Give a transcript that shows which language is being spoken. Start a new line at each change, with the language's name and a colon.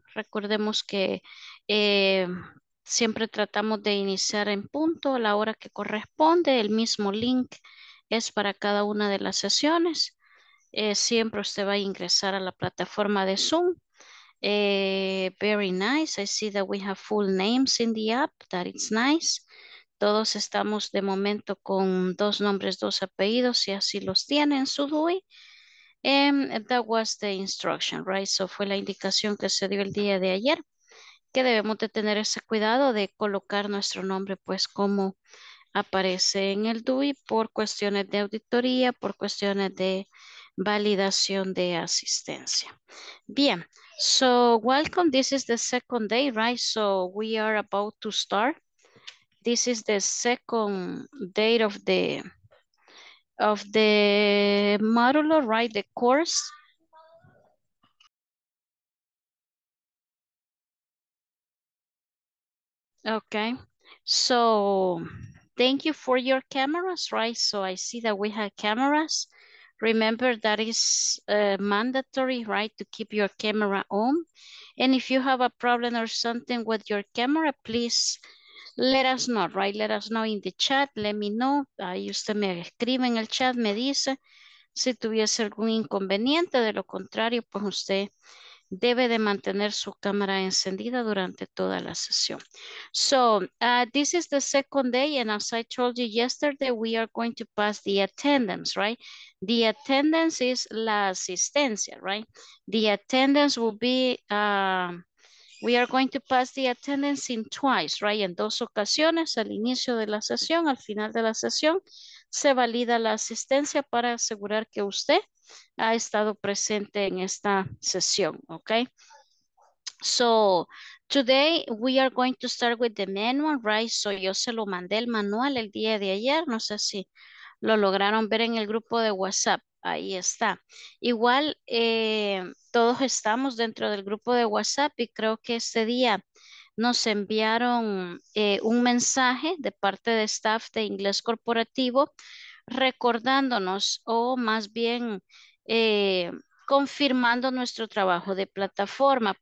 Spanish: Recordemos que siempre tratamos de iniciar en punto a la hora que corresponde. El mismo link es para cada una de las sesiones. Siempre usted va a ingresar a la plataforma de Zoom.
English: Very nice. I see that we have full names in the app. That is nice.
Spanish: Todos estamos de momento con dos nombres, dos apellidos, si así los tienen, Sudui.
English: That was the instruction, right?
Spanish: So fue la indicación que se dio el día de ayer, que debemos de tener ese cuidado de colocar nuestro nombre, pues como aparece en el DUI, por cuestiones de auditoría, por cuestiones de validación de asistencia.
English: Bien, so welcome, this is the second day, right? So we are about to start. This is the second date of the module, right? The course. Okay. So thank you for your cameras, right? So I see that we have cameras. Remember that is mandatory, right, to keep your camera on. And if you have a problem or something with your camera, please let us know, right? Let us know in the chat. Let me know.
Spanish: Ahí usted me escribe en el chat, me dice si tuviese algún inconveniente. De lo contrario, pues usted debe de mantener su cámara encendida durante toda la sesión.
English: So, this is the second day, and as I told you yesterday, we are going to pass the attendance, right? The attendance is
Spanish: la asistencia,
English: right? The attendance will be. We are going to pass the attendance in twice, right?
Spanish: En dos ocasiones, al inicio de la sesión, al final de la sesión, se valida la asistencia para asegurar que usted ha estado presente en esta sesión, ¿ok?
English: So, today we are going to start with the manual, right?
Spanish: So, yo se lo mandé el manual el día de ayer, no sé si lo lograron ver en el grupo de WhatsApp. Ahí está. Igual todos estamos dentro del grupo de WhatsApp y creo que este día nos enviaron un mensaje de parte de staff de inglés corporativo recordándonos o más bien confirmando nuestro trabajo de plataforma.